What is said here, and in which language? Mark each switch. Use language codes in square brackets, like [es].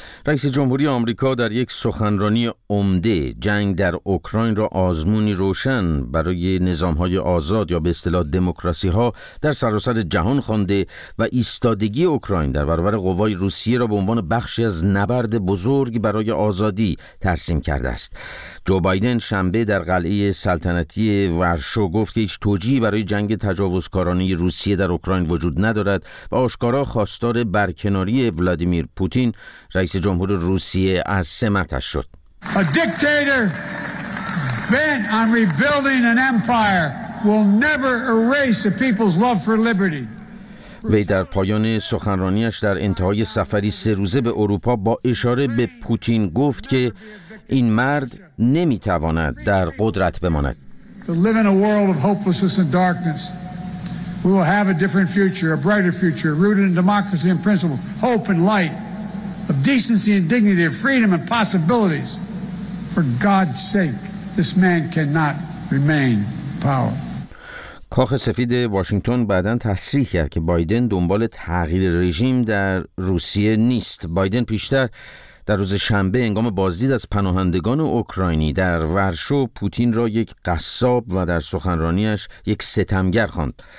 [fa] رئیس جمهوری آمریکا در یک سخنرانی عمده جنگ در اوکراین را آزمونی روشن برای نظام‌های آزاد یا به اصطلاح دموکراسی‌ها در سراسر جهان خوانده و ایستادگی اوکراین در برابر قوای روسیه را به عنوان بخشی از نبرد بزرگ برای آزادی ترسیم کرده است. جو بایدن شنبه در قلعه سلطنتی ورشو گفت که هیچ توجیهی برای جنگ تجاوزکارانه روسیه در اوکراین وجود ندارد و آشکارا خواستار برکناری ولادیمیر پوتین رئیس جمهور روسیه از سمتش شد. [en] A dictator bent on rebuilding an empire will never erase the people's love for liberty. [fa] وی در پایان سخنرانیش در انتهای سفری 3 روزه به اروپا با اشاره به پوتین گفت که این مرد نمیتواند در قدرت بماند. [en] Live in a world of hopelessness and darkness. We will have a different future, a brighter future rooted in democracy and principle, hope and light. Of decency and dignity, of freedom and possibilities. For God's sake, this man cannot remain in power. [fa] کاخ سفید واشنگتن بعداً تصریح کرد که بایدن دنبال تغییر رژیم در روسیه نیست. بایدن پیشتر در روز شنبه هنگام بازدید از پناهندگان اوکراینی در ورشو پوتین را یک قصاب و در سخنرانیش یک ستمگر خواند.